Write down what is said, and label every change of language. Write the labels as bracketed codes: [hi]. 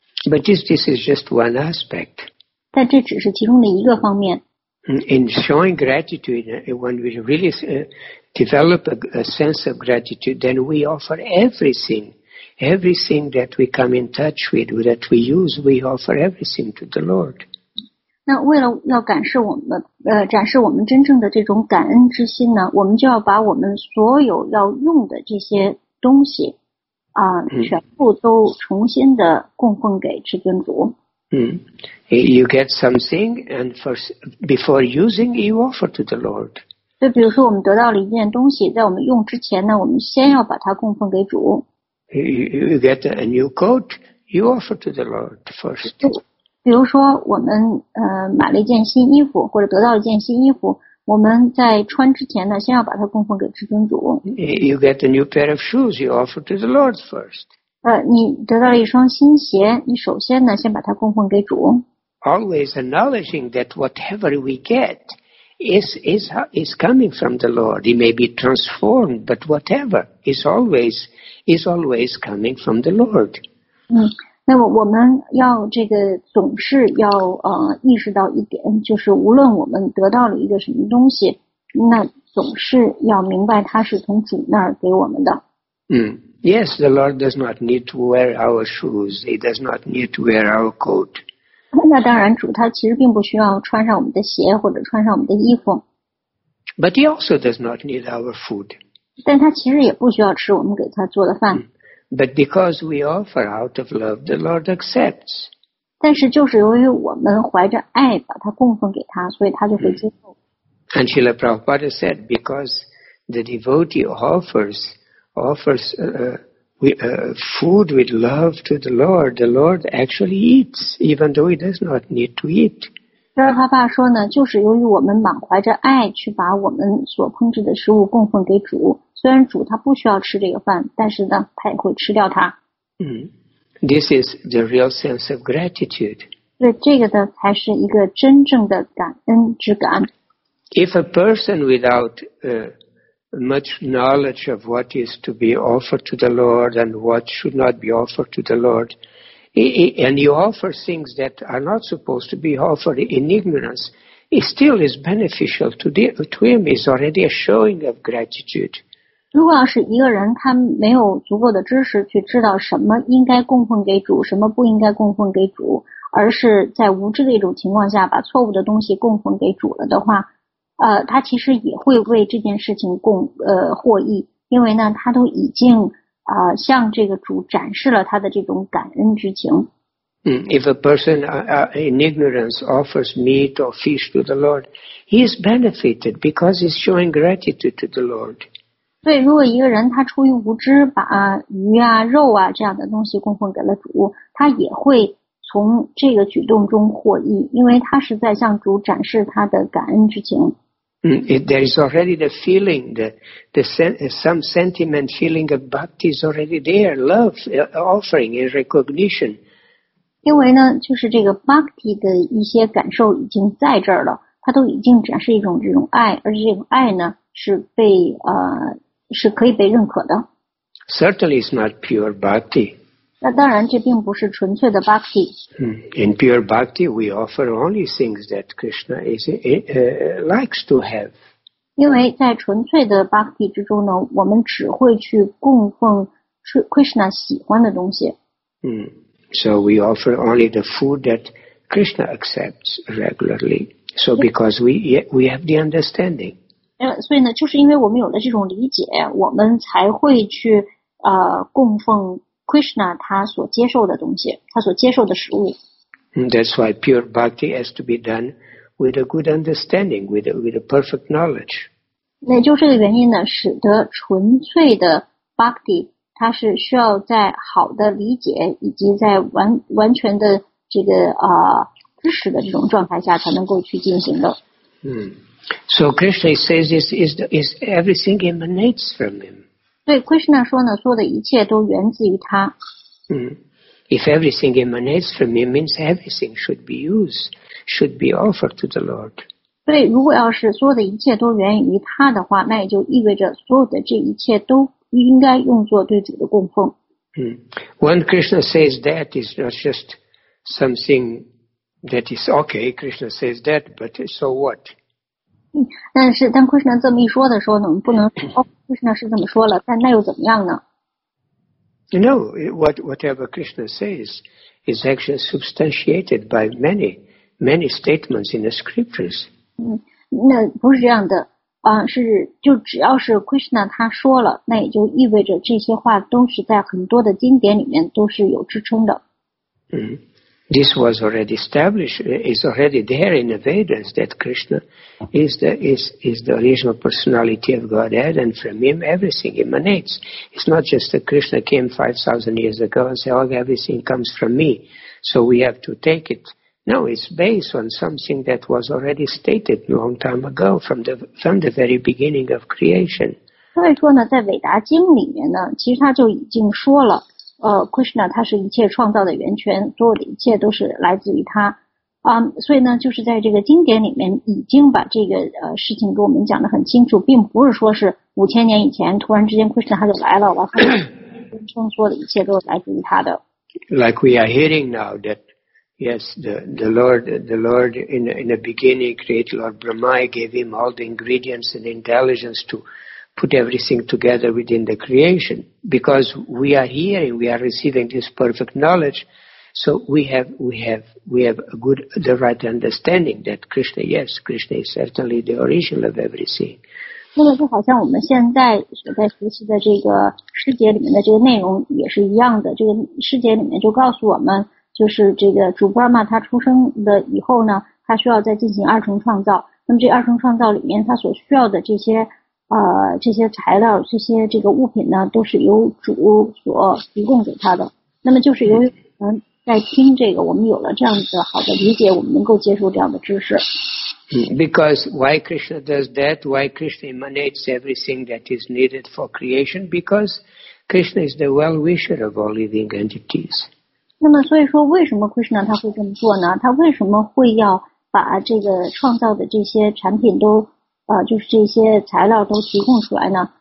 [en] But this is just one aspect. [zh] 但这只是其中的一个方面。 [en] In showing gratitude, when we really develop a sense of gratitude, then we offer everything that we come in touch with, that we use, we offer everything to the Lord. [zh] 那为了要展示我们真正的这种感恩之心呢，我们就要把我们所有要用的这些东西全部都重新的供奉给至尊主。 [en] You get something and before using you offer to the Lord. [zh] 就比如说我们得到了一件东西，在我们用之前呢，我们先要把它供奉给主。 [en] You get a new coat, you offer to the Lord first. [zh] 比如说我们买了一件新衣服或者得到一件新衣服，我们在穿之前呢先要把它供奉给至尊主。 [en] You get a new pair of shoes, you offer to the Lord first. [zh] 你得到了一双新鞋，你首先呢先把它供奉给主。 [en] Always acknowledging that whatever we get is coming from the Lord. It may be transformed, but whatever is always coming from the Lord. [zh] 那么我们要这个总是要意识到一点，就是无论我们得到了一个什么东西，那总是要明白它是从主那儿给我们的。 [en] Yes, the Lord does not need to wear our shoes. He does not need to wear our coat. [zh] 那当然，主他其实并不需要穿上我们的鞋或者穿上我们的衣服。 [en] But he also does not need our food. [zh] 但他其实也不需要吃我们给他做的饭。 [en] But because we offer out of love, the Lord accepts. [zh] 但是就是由于我们怀着爱把它供奉给他，所以他就会接受。 [en] And Srila Prabhupada said, because the devotee offers food with love to the Lord actually eats, even though he does not need to eat. [zh] 这是他爸说呢，就是由于我们满怀着爱去把我们所烹制的食物供奉给主。虽然主他不需要吃这个饭，但是呢，他也会吃掉它。 [en] This is the real sense of gratitude. [zh] 对，这个呢，才是一个真正的感恩之感。 [en] If a person without much knowledge of what is to be offered to the Lord and what should not be offered to the Lord, and you offer things that are not supposed to be offered in ignorance, it still is beneficial to him. It's already a showing of gratitude. [zh] 如果要是一个人他没有足够的知识去知道什么应该供奉给主，什么不应该供奉给主，而是在无知的一种情况下把错误的东西供奉给主了的话，他其实也会为这件事情获益，因为呢他都已经向这个主展示了他的这种感恩之情。 [en] If a person in ignorance offers meat or fish to the Lord, he is benefited because he's showing gratitude to the Lord. [zh] 对，如果一个人他出于无知把鱼啊肉啊这样的东西供奉给了主，他也会从这个举动中获益，因为他是在向主展示他的感恩之情。 [en] There is already the feeling, some sentiment, feeling of bhakti is already there, love, offering and recognition. [zh] 因为呢，就是这个 bhakti 的一些感受已经在这儿了，它都已经展示一种这种爱，而且这种爱呢是被是可以被认可的。 [en] Certainly, it's not pure bhakti. [zh] 那当然，这并不是纯粹的 bhakti. [en] In pure bhakti, we offer only things that Krishna is likes to have. [zh] 因为在纯粹的 bhakti 之中呢，我们只会去供奉 Krishna 喜欢的东西。 [en] So we offer only the food that Krishna accepts regularly. So because we have the understanding. [zh] 所以呢，就是因为我们有了这种理解，我们才会去供奉 Krishna 他所接受的东西，他所接受的食物。 [en] That's why pure bhakti has to be done with a good understanding, with a perfect knowledge. [zh] 那就是这个原因呢，使得纯粹的 bhakti。它是需要在好的理解以及在完全的这个知识的这种状态下才能够去进行的。 [en] So Krishna says is everything emanates from him. [zh] 对 ，Krishna 说呢，所有的一切都源自于他。 [en] If everything emanates from him, means everything should be used, should be offered to the Lord. [zh] 对，如果要是所有的一切都源于他的话，那也就意味着所有的这一切都。应该用作对主的供奉。 [en] When Krishna says that, it's not just something that is okay. Krishna says that, but so what? [zh] 但是当 Krishna 这么一说的时候呢，我们不能说、Krishna 是这么说了，但那又怎么样呢 [en] ？You know, whatever Krishna says is actually substantiated by many, many statements in the scriptures. [zh] 那不是这样的。是就只要是 Krishna 他说了，那也就意味着这些话都是在很多的经典里面都是有支撑的。 [en] This was already established, is already there in the Vedas that Krishna is the original personality of Godhead, and from him everything emanates. It's not just that Krishna came 5,000 years ago and said, "Oh, everything comes from me," so we have to take it. No, it's based on something that was already stated long time ago from the very beginning of creation. [zh] 所以说呢，在韦达经里面呢，其实他就已经说了，Krishna 他是一切创造的源泉，所有的一切都是来自于他。所以呢，就是在这个经典里面已经把这个事情给我们讲得很清楚，并不是说是五千年以前突然之间 Krishna 他就来了，然后宣称所有的一切都是来自于他的。 [en] Like we are hearing now that. Yes, the Lord in the beginning created Lord Brahma, gave him all the ingredients and intelligence to put everything together within the creation. Because we are hearing, we are receiving this perfect knowledge, so we have a good, the right understanding that Krishna, yes, Krishna is certainly the original of everything. [zh] 那么就好像我们现在所在学习的这个师节里面的这个内容也是一样的，这个师节里面就告诉我们。就是这个主布拉玛他出生的以后呢，他需要再进行二重创造。那么这二重创造里面，他所需要的这些材料、这些这个物品呢，都是由主所提供给他的。那么就是由我们在听这个，我们有了这样的好的理解，我们能够接受这样的知识。 [en] Because why Krishna does that? Why Krishna emanates everything that is needed for creation? Because Krishna is the well-wisher of all living entities. [zh] 那么所以说为什么 Krishna 他会这么做呢？他为什么会要把这个创造的这些产品都就是这些材料都提供出来呢？